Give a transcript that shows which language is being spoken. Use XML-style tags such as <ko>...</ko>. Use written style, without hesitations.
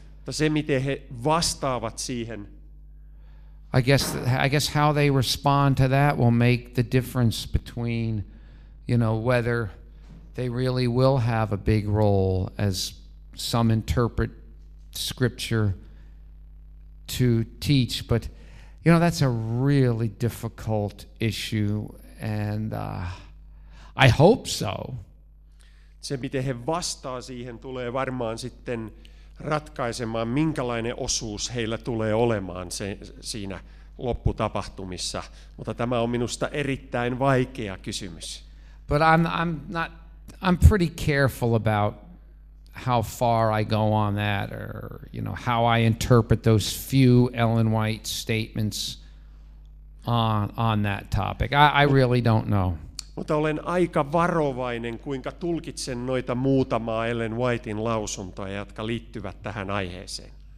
<fi>Se, miten he vastaavat siihen.</fi> <en>I guess how they respond to that will make the difference between, you know, whether they really will have a big role, as some interpret scripture to teach. But, you know, that's a really difficult issue, and I hope so.</en> <fi>Se, miten he vastaa siihen, tulee varmaan sitten ratkaisemaan, minkälainen osuus heillä tulee olemaan siinä lopputapahtumissa. Mutta tämä on minusta erittäin vaikea kysymys.</fi> <en>But I'm pretty careful about how far I go on that, or, you know, how I interpret those few Ellen White statements on that topic. I really don't know.</en> <fi>Mutta olen aika varovainen, kuinka tulkitsen noita muutamaa Ellen Whitein lausuntoja, jotka liittyvät tähän aiheeseen.</fi>